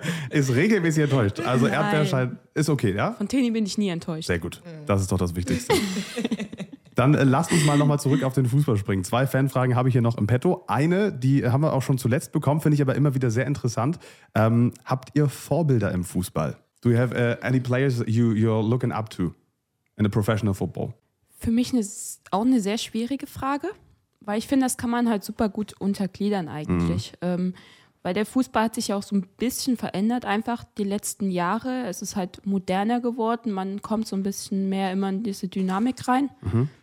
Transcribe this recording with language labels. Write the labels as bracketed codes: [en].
[de] Ist regelmäßig enttäuscht. Also Erdbeer scheint, ist okay, ja? Von Teni bin ich nie enttäuscht. Sehr gut. Das ist doch das Wichtigste. Dann lasst uns mal nochmal zurück auf den Fußball springen. 2 Fanfragen habe ich hier noch im Petto. Eine, die haben wir auch schon zuletzt bekommen, finde ich aber immer wieder sehr interessant. Habt ihr Vorbilder im Fußball? [en] Do you have any players you're looking up to in a professional football? [de] Für mich ist auch eine sehr schwierige Frage, weil ich finde, das kann man halt super gut untergliedern eigentlich. Mhm. Weil der Fußball hat sich ja auch so ein bisschen verändert einfach die letzten Jahre. Es ist halt moderner geworden. Man kommt so ein bisschen mehr immer in diese Dynamik rein. Mhm.